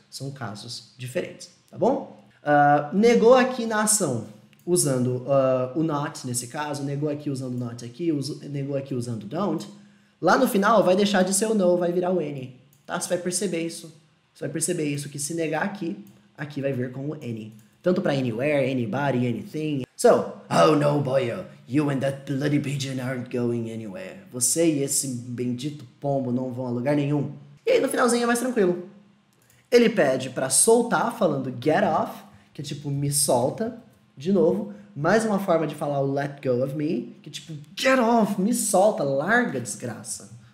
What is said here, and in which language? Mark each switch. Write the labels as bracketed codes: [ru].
[pt] São casos diferentes. Tá bom? Negou aqui na ação. Usando o not nesse caso, negou aqui usando not aqui, negou aqui usando don't, lá no final vai deixar de ser o no, vai virar o n, tá? Você vai perceber isso. Você vai perceber isso, que se negar aqui, aqui vai vir com o n. Tanto pra anywhere, anybody, anything. [en] So, oh no, boyo, you and that bloody pigeon aren't going anywhere. [pt] Você e esse bendito pombo não vão a lugar nenhum. E aí no finalzinho é mais tranquilo. Ele pede pra soltar falando get off, que é tipo me solta. De novo, mais uma forma de falar o [en] let go of me, [pt] que é tipo, get off, me solta, larga, desgraça.